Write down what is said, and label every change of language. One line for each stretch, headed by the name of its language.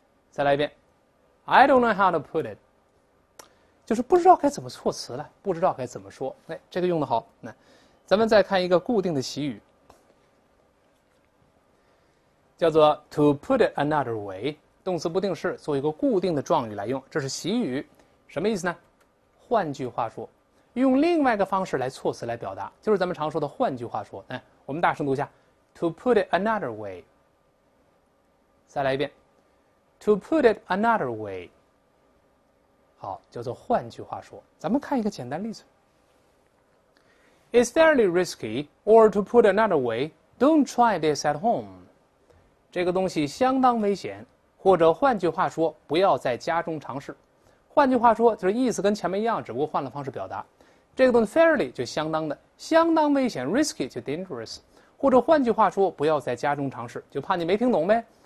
Chinese: 再来一遍
English: ：I don't know how to put it。
Chinese: 就是不知道该怎么措辞了，不知道该怎么说。哎，这个用得好。那咱们再看一个固定的习语，叫做
English: to put it another way，
Chinese: 动词不定式做一个固定的状语来用，这是习语，什么意思呢？换句话说，用另外一个方式来措辞来表达，就是咱们常说的换句话说。哎，我们大声读一下
English: ，to put it another way。
Chinese: 再来一遍
English: ，to put it another way。
Chinese: 好，叫做换句话说。
English: 咱们看一个简单例子 ：It's fairly risky, or to put another way, don't try this at home。
Chinese: 这个东西相当危险，或者换句话说，不要在家中尝试。换句话说，就是意思跟前面一样，只不过换了方式表达。这个东西 fairly 就相当的，相当危险 risky 就 dangerous， 或者换句话说，不要在家中尝试，就怕你没听懂呗。